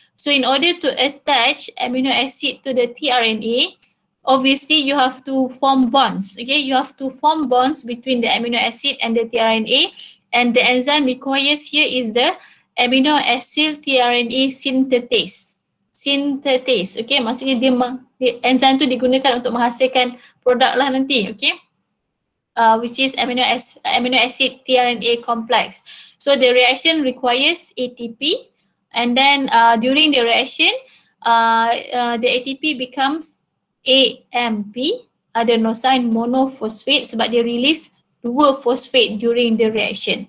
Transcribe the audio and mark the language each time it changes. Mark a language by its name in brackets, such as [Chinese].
[English] So in order to attach amino acid to the tRNA, obviously you have to form bonds. Okay, you have to form bonds between the amino acid and the tRNA, and the enzyme requires here is the amino acyl tRNA synthetase. [Malay] Okay, maksudnya enzyme tu digunakan untuk menghasilkan produk lah nanti. [English] Okay, which is amino acid tRNA complex. So the reaction requires ATP, and then during the reaction the ATP becomes AMP, adenosine monophosphate, [Malay] sebab dia [English] release 2-phosphate during the reaction.